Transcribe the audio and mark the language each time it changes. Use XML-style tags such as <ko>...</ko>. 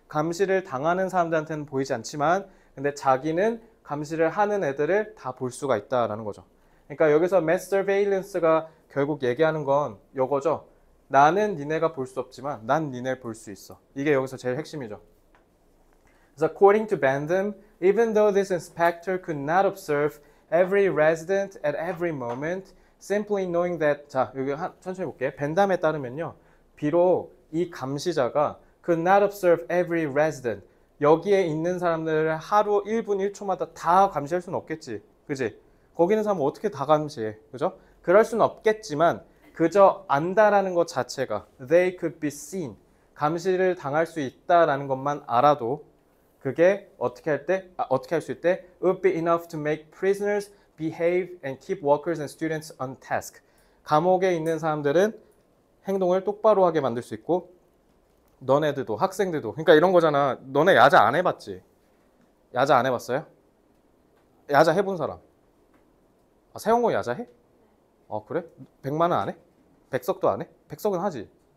<ko>감시를 당하는 사람들한테는 보이지 않지만, 근데 자기는 감시를 하는 애들을 다볼 수가 있다라는 거죠. 그러니까 여기서 mass surveillance가 결국 얘기하는 건 이거죠. 나는 니네가 볼수 없지만, 난 니네를 볼수 있어. 이게 여기서 제일 핵심이죠.</ko> <en>그래서 according to Bentham, even though this inspector could not observe every resident at every moment, simply knowing that,</en> <ko>자, 여기 천천히 볼게. 벤담에 따르면요. 비록 이 감시자가</ko> <en>could not observe every resident.</en> <ko>여기에 있는 사람들을 하루 1분 1초마다 다 감시할 수는 없겠지. 그지? 거기는 사람 어떻게 다 감시해? 그죠? 그럴 순 없겠지만 그저 안다라는 것 자체가</ko> <en>they could be seen</en> <ko>감시를 당할 수 있다라는 것만 알아도 그게 어떻게 할 때? 아, 어떻게 할수 있대?</ko> <en>would be enough to make prisoners behave and keep workers and students on task.</en> <ko>감옥에 있는 사람들은 행동을 똑바로 하게 만들 수 있고 너네들도 학생들도 그러니까 이런 거잖아. 너네 야자 안 해봤지? 야자 안 해봤어요? 야자 해본 사람? 아, 세영호 야자 해? 어 아, 그래? 100만 원안 해? 백석도 안 해? 백석은 하지.</ko>